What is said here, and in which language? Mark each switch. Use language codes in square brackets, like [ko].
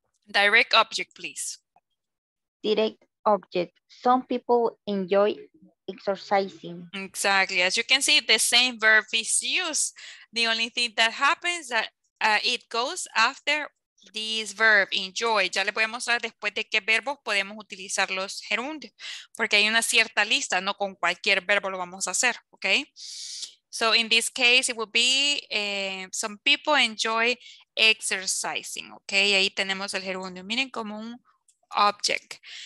[en] Direct object, please. Direct object. Some people enjoy exercising. Exactly. As you can see, the same verb is used. The only thing that happens that it goes after this verb, enjoy. [es] Ya les voy a mostrar después de qué verbos podemos utilizar los gerund, porque hay una cierta lista, no con cualquier verbo lo vamos a hacer, okay? [en] So in this case, it would be some people enjoy exercising, okay? [es] Ahí tenemos el gerundio, miren, como un object.